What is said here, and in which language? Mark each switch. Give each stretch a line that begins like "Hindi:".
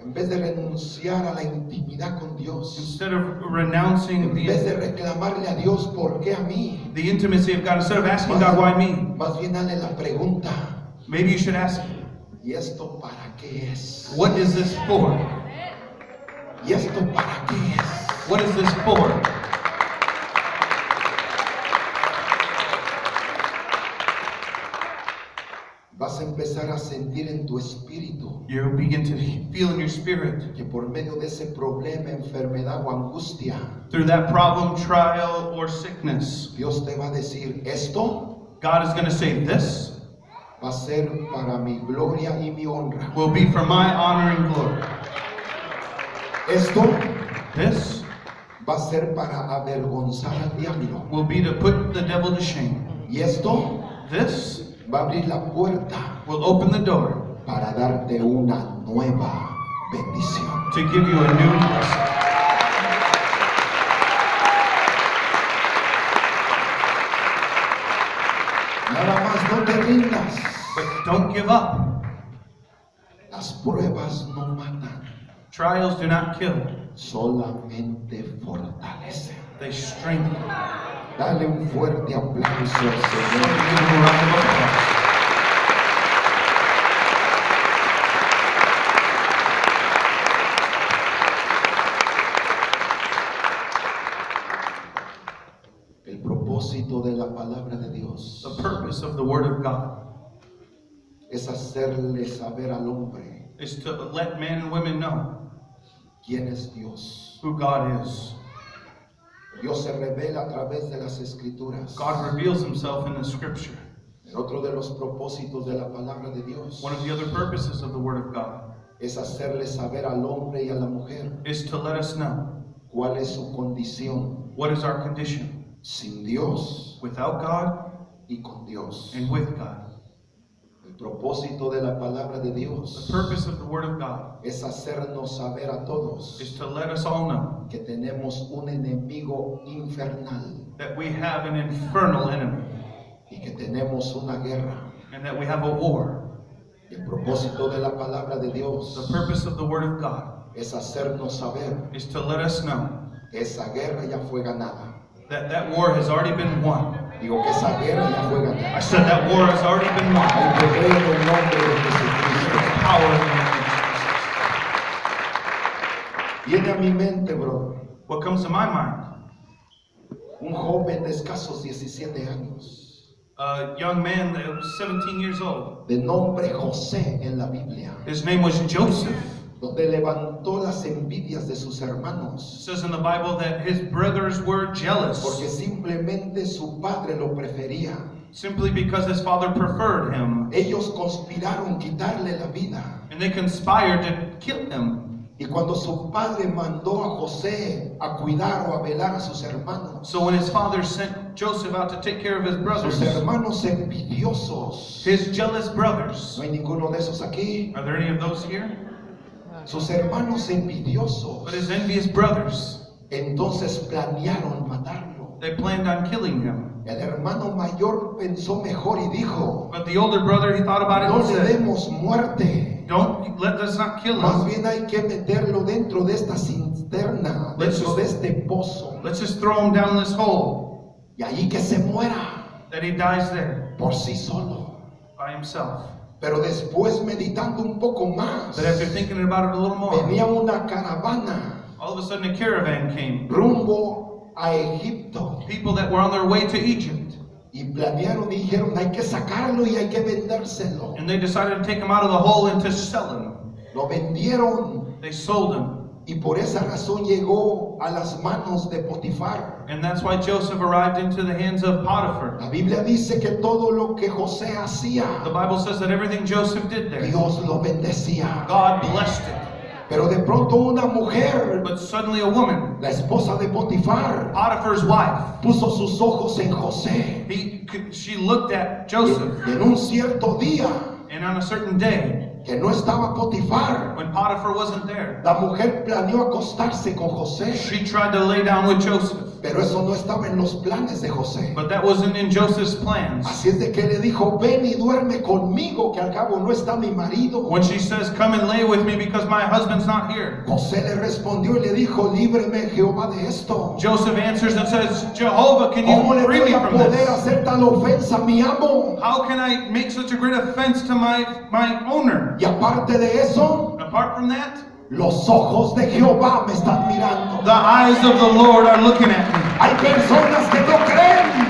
Spanish: en vez de renunciar a la intimidad con Dios,
English: instead of renouncing,
Spanish: en vez de reclamarle a Dios por qué a mí,
English: the intimacy of God, instead of asking God why me,
Spanish: más bien dale la pregunta,
English: maybe you should ask,
Spanish: ¿y esto para qué es?
English: What is this for?
Spanish: ¿Y esto para qué es?
English: What is this for?
Spanish: Vas a empezar a sentir en tu espíritu.
English: You begin to feel in your spirit.
Spanish: Que por medio de ese problema, enfermedad o angustia.
English: Through that problem, trial or sickness.
Spanish: Dios te va a decir esto.
English: God is going to say this.
Spanish: Va a ser para mi gloria y mi honra.
English: Will be for my honor and glory.
Spanish: Esto,
English: this,
Spanish: va a ser para avergonzar al diablo.
English: Will be to put the devil to shame.
Spanish: Y esto,
English: this,
Spanish: va a abrir la puerta.
English: Will open the door.
Spanish: Para darte una nueva bendición.
English: To give you a new blessing.
Spanish: Nada más no te rindas.
English: But don't give up.
Spanish: Las pruebas no matan.
English: Trials do not kill.
Spanish: Solamente fortalece.
English: They strengthen.
Spanish: Dale un fuerte aplauso al Señor.
English: Give him a round of applause.
Spanish: El propósito de la palabra de Dios.
English: The purpose of the word of God.
Spanish: hacerle saber al hombre
English: is to let men and women know
Spanish: quién es Dios.
English: Who God is.
Spanish: Dios se revela a través de las Escrituras.
English: God reveals himself in the Scripture.
Spanish: El otro de los propósitos de la palabra de Dios.
English: One of the other purposes of the Word of God.
Spanish: Es hacerle saber al hombre y a la mujer
English: is to let us know
Spanish: cuál es su condición.
English: What is our condition?
Spanish: Sin Dios.
English: Without God.
Spanish: Y con Dios.
English: And with God.
Spanish: El propósito de la palabra de Dios.
English: The purpose of the Word of God.
Spanish: Es hacernos saber a todos.
English: Is to let us all know.
Spanish: Que tenemos un enemigo infernal.
English: That we have an infernal enemy.
Spanish: Y que tenemos una guerra.
English: And that we have a war.
Spanish: Y el propósito de la palabra de Dios.
English: The purpose of the Word of God.
Spanish: Es hacernos saber.
English: Is to let us know.
Spanish: Esa guerra ya fue ganada.
English: That war has already been won.
Spanish: Digo que esa guerra ya fue ganada.
English: I said that war has already been won.
Spanish: El poder en el nombre de Jesucristo.
English: The power in the name of Jesus.
Spanish: Viene a mi mente,
English: brother. What comes to my mind?
Spanish: Un joven de escasos 17 años.
English: A young man that was 17 years old.
Spanish: De nombre José en la Biblia.
English: His name was Joseph.
Spanish: Donde levantó las envidias de sus hermanos.
English: It says in the Bible that his brothers were jealous.
Spanish: Porque simplemente su padre lo prefería.
English: Simply because his father preferred him.
Spanish: Ellos conspiraron quitarle la vida.
English: And they conspired to kill him.
Spanish: Y cuando su padre mandó a José a cuidar o a velar a sus hermanos.
English: So when his father sent Joseph out to take care of his brothers.
Spanish: Sus hermanos envidiosos.
English: His jealous brothers.
Spanish: ¿No hay ninguno de esos aquí?
English: Are there any of those here?
Spanish: Sus hermanos envidiosos.
English: But his envious brothers.
Spanish: Entonces planearon matarlo.
English: They planned on killing him.
Spanish: El hermano mayor pensó mejor y dijo.
English: But the older brother, he thought about it.
Spanish: No le demos muerte.
English: Don't let us not kill him.
Spanish: Más bien hay que meterlo dentro de esta cisterna, dentro de este pozo.
English: Let's just throw him down this hole.
Spanish: Y allí que se muera.
English: That he dies there.
Spanish: Por sí solo.
English: By himself.
Spanish: Pero después meditando un poco más.
English: But after thinking about it a little more.
Spanish: Venía una caravana.
English: All of a sudden a caravan came.
Spanish: Rumbo a Egipto.
English: People that were on their way to Egypt.
Spanish: Y planearon y dijeron, hay que sacarlo y hay que vendérselo.
English: And they decided to take him out of the hole and to sell him.
Spanish: Lo vendieron.
English: They sold him.
Spanish: Y por esa razón llegó a las manos de Potifar.
English: And that's why Joseph arrived into the hands of Potiphar.
Spanish: La Biblia dice que todo lo que José hacía.
English: The Bible says that everything Joseph did there.
Spanish: Dios lo bendecía.
English: God blessed it.
Spanish: Pero de pronto una mujer,
English: but suddenly a woman,
Spanish: la esposa de Potifar,
English: Potiphar's wife,
Spanish: puso sus ojos en José.
English: She looked at Joseph.
Spanish: En un cierto día,
English: and on a certain day,
Spanish: que no estaba Potifar,
English: when Potiphar wasn't there,
Spanish: la mujer planeó acostarse con José.
English: She tried to lay down with Joseph.
Spanish: Pero eso no estaba en los planes de José.
English: But that wasn't in Joseph's plans.
Spanish: Así es de que le dijo, ven y duerme conmigo, que al cabo no está mi marido.
English: When she says, come and lay with me because my husband's not here.
Spanish: José le respondió y le dijo, líbreme Jehová de esto.
English: Joseph answers and says, Jehovah, can you free me from this?
Spanish: ¿Cómo le voy a poder hacer tal ofensa a mi amo?
English: How can I make such a great offense to my owner?
Spanish: Y aparte de eso,
English: apart from that,
Spanish: los ojos de Jehová me están mirando.
English: The eyes of the Lord are looking at me.
Spanish: Hay personas que no creen.